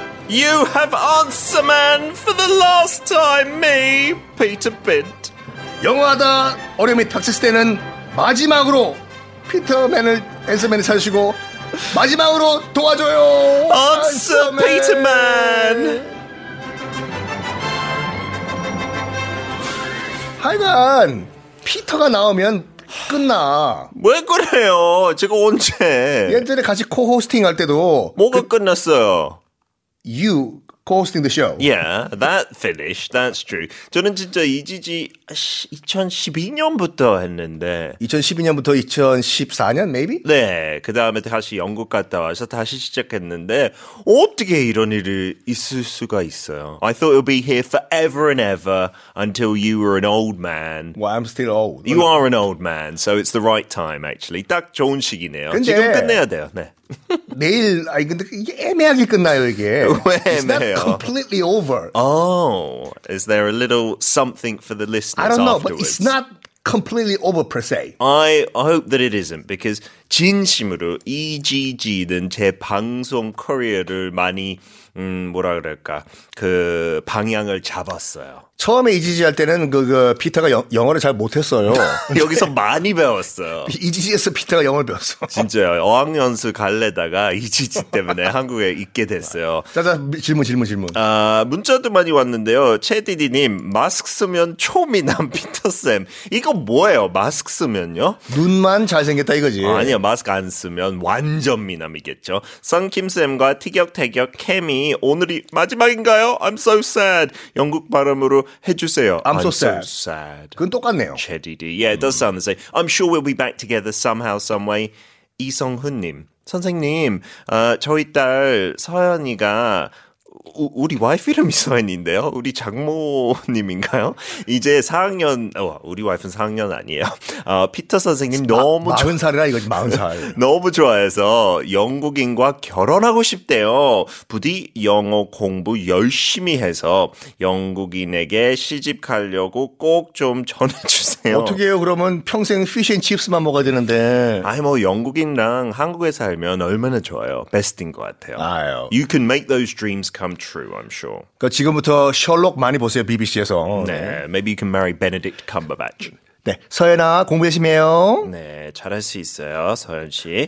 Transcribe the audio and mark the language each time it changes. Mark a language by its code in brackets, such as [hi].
[en] You have answer man for the last time, me, Peter Bint. [ko] 영화다 어려움이 닥쳤을 때는 마지막으로 피터맨을 앤서맨을 찾으시고 마지막으로 도와줘요. [en] Answer Peterman. [ko] 하여간 피터가 나오면 끝나. 왜 그래요? 제가 언제? 예전에 같이 코호스팅 할 때도 뭐가 끝났어요? [en] You co-hosting the show. Yeah, that finished. That's true. [ko] 저는 진짜 이지지 2012년부터 했는데 2012년부터 2014년 maybe? 네, 그 다음에 다시 영국 갔다 와서 다시 시작했는데 어떻게 이런 일이 있을 수가 있어요? [en] I thought you'd be here forever and ever until you were an old man. Well, I'm still old. You are an old man, so it's the right time actually. [ko] 딱 좋은 시기네요. 근데 지금 끝내야 돼요. 네. 내일 아니 근데 이게 애매하게 끝나요 이게. 왜 애매해요? [en] It's not completely over. Oh, is there a little something for the listeners? I don't know, afterwards? But it's not completely over per se. I hope that it isn't because [ko] 진심으로 EGG는 제 방송 커리어를 많이 뭐라 그럴까 그 방향을 잡았어요. 처음에 EGG 할 때는 그 피터가 영어를 잘 못했어요. 여기서 많이 배웠어요. EGG에서 피터가 영어를 배웠어. 진짜요. 어학연수 갈래다가 EGG 때문에 한국에 있게 됐어요. 자자 질문. 아 문자도 많이 왔는데요. 최디디님 마스크 쓰면 초미남 피터 쌤. 이거 뭐예요? 마스크 쓰면요? 눈만 잘 생겼다 이거지. 아니요 마스크 안 쓰면 완전 미남이겠죠. 썬킴 쌤과 티격태격 캠이 오늘이 마지막인가요? [en] I'm so sad. [ko] 영국 발음으로 해주세요. [en] I'm so sad. [ko] 그건 똑같네요. [en] Chedidi. Yeah, it does sound the same. I'm sure we'll be back together somehow, some way. [ko] 이성훈님. 선생님, 저희 딸 서연이가 우리 와이프 이름이 서연인데요. 우리 장모님인가요? 이제 4학년, 우리 와이프는 4학년 아니에요. 피터 선생님 너무 40살이라 이거지, 40살. 너무 좋아해서 영국인과 결혼하고 싶대요. 부디 영어 공부 열심히 해서 영국인에게 시집 가려고 꼭 좀 전해주세요. 어떻게 해요? 그러면 평생 피쉬앤칩스만 먹어야 되는데. 아니, 뭐 영국인랑 한국에 살면 얼마나 좋아요. 베스트인 것 같아요. 아유. [en] You can make those dreams come true, I'm sure. [ko] 그러니까 지금부터 셜록 많이 보세요, BBC에서. 네, 네. [en] Maybe you can marry Benedict Cumberbatch. [ko] 네, 서연아, 공부 열심히 해요. 네, 잘할 수 있어요, 서연 씨.